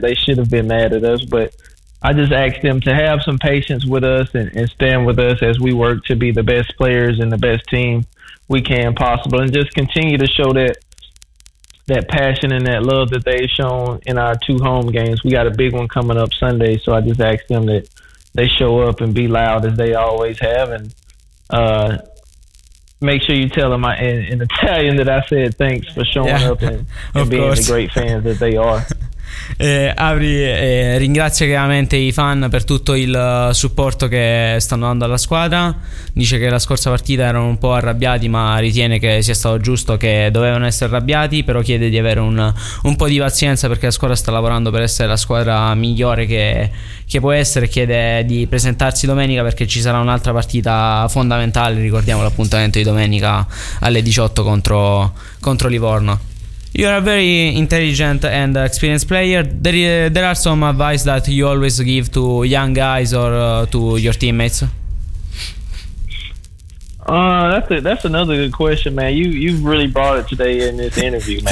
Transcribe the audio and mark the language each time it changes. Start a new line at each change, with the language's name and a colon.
English: They should have been mad at us, but I just asked them to have some patience with us and stand with us as we work to be the best players and the best team we can possible, and just continue to show that passion and that love that they've shown in our two home games. We got a big one coming up Sunday, so I just asked them that they show up and be loud as they always have, and make sure you tell them in Italian that I said thanks for showing up and being the great fans that they are.
Italian: Ringrazia chiaramente i fan per tutto il supporto che stanno dando alla squadra. Dice che la scorsa partita erano un po' arrabbiati, ma ritiene che sia stato giusto che dovevano essere arrabbiati, però chiede di avere un po' di pazienza perché la squadra sta lavorando per essere la squadra migliore che può essere. Chiede di presentarsi domenica perché ci sarà un'altra partita fondamentale, ricordiamo l'appuntamento di domenica alle 18 contro Livorno.
English: You are a very intelligent and experienced player. There are some advice that you always give to young guys or to your teammates. That's another good question, man. You really brought it today in this interview, man.